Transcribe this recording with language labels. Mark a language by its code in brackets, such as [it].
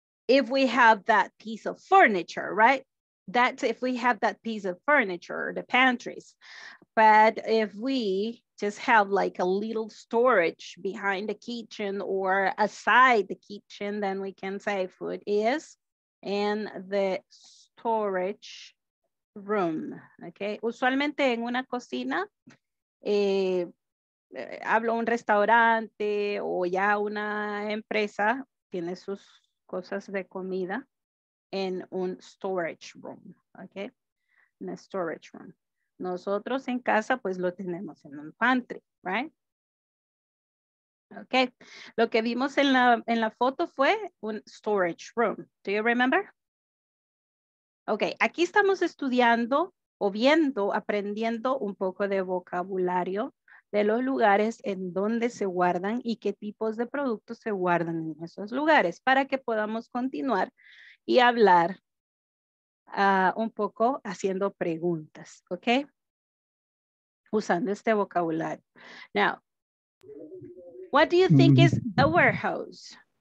[en] If we have that piece of furniture, right? That's if we have that piece of furniture, the pantries. But if we just have like a little storage behind the kitchen or aside the kitchen, then we can say food is in the storage room, okay? [es] Usualmente en una cocina, hablo un restaurante o ya una empresa tiene sus cosas de comida en un storage room, okay? [en] In a storage room. [es] Nosotros en casa, pues lo tenemos en un pantry, right? Okay, lo que vimos en la foto fue un storage room. [en] Do you remember? [es] Okay, aquí estamos estudiando o viendo, aprendiendo un poco de vocabulario de los lugares en donde se guardan y qué tipos de productos se guardan en esos lugares para que podamos continuar y hablar un poco haciendo preguntas, ¿ok? Usando este vocabulario. [en] Now, what do you think is a warehouse?